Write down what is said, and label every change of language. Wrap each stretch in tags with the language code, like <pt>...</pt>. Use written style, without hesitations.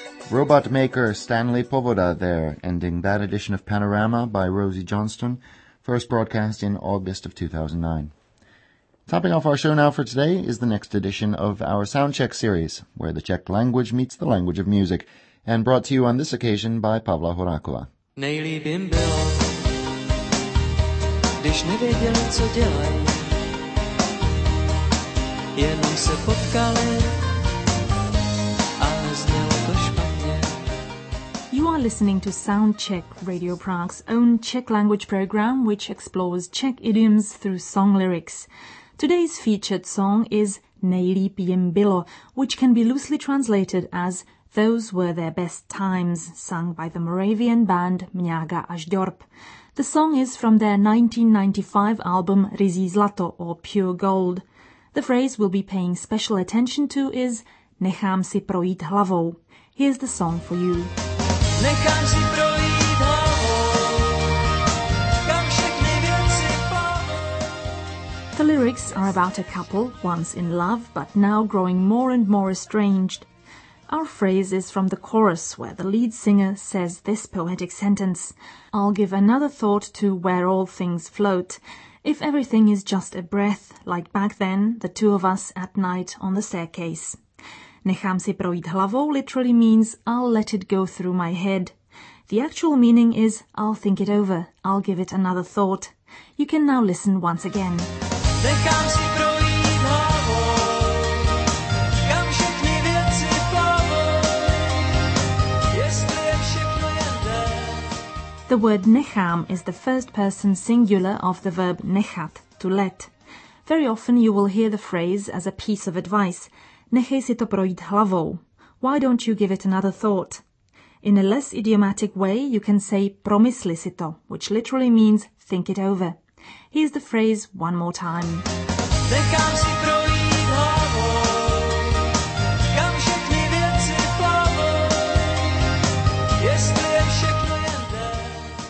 <en>Robot maker Stanley Povoda there, ending that edition of Panorama by Rosie Johnston, first broadcast in August of 2009. Topping off our show now for today is the next edition of our Soundcheck series, where the Czech language meets the language of music, and brought to you on this occasion by Pavla Horáková.</en> <cs>Nejlíp jim bylo, když nevěděli, co dělaj, jenom se potkali.</cs> <en>You are listening to Soundcheck, Radio Prague's own Czech language program, which explores Czech idioms through song lyrics. Today's featured song is Nejlíp jim bylo, which can be loosely translated as Those Were Their Best Times, sung by the Moravian band Mňága a Ždorp. The song is from their 1995 album Rizí zlato, or Pure Gold. The phrase we'll be paying special attention to is</en> <cs>Nechám si projít hlavou.</cs> <en>Here's the song for you.</en> <cs>Nechám si projít hlavou, kam všechny věci plavou.</cs> <en>The lyrics are about a couple, once in love, but now growing more and more estranged. Our phrase is from the chorus, where the lead singer says this poetic sentence, I'll give another thought to where all things float. If everything is just a breath, like back then, the two of us at night on the staircase.</en> <cs>Nechám si projít hlavou</cs> <en>literally means I'll let it go through my head. The actual meaning is I'll think it over, I'll give it another thought. You can now listen once again.</en> <cs>Nechám si projít hlavou, kam všechny věci plavou, jestli je všechno jen den.</cs> <en>The word nechám is the first person singular of the verb nechat, to let. Very often you will hear the phrase as a piece of advice.</en> <cs>Nechej si to projít hlavou.</cs> <en>Why don't you give it another thought? In a less idiomatic way, you can say</en> <cs>promysli si to,</cs> <en>which literally means think it over. Here's the phrase one more time.</en> <cs>Nechám si projít hlavou, kam všechny věci plavou, jestli je všechno jen den.</cs>